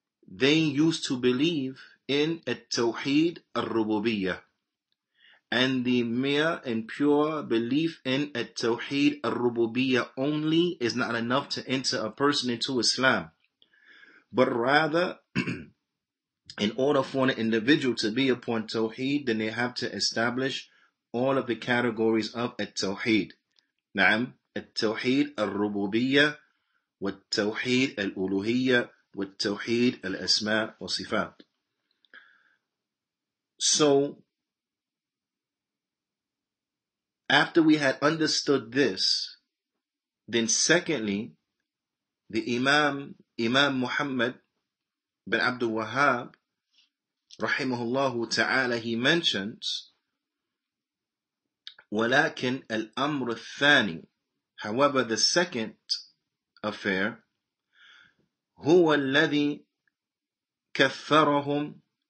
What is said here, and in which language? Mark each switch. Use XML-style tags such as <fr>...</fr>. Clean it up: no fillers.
<en>they used to believe in at-tawheed ar-rububiyyah and the mere and pure belief in at-tawheed ar-rububiyyah only is not enough to enter a person into Islam, but rather in order for an individual to be upon tawheed, then they have to establish all of the categories of at-tawheed.</en> <ar>نعم التوحيد الربوبية والتوحيد الألوهية والتوحيد الأسماء والصفات.</ar> <en>So after we had understood this, then secondly, the Imam Muhammad bin Abdul Wahhab رحمه الله تعالى, he mentions</en> <ar>ولكن الأمر الثاني,</ar> <en>however the second affair,</en> <ar>هو الذي كفرهم</ar>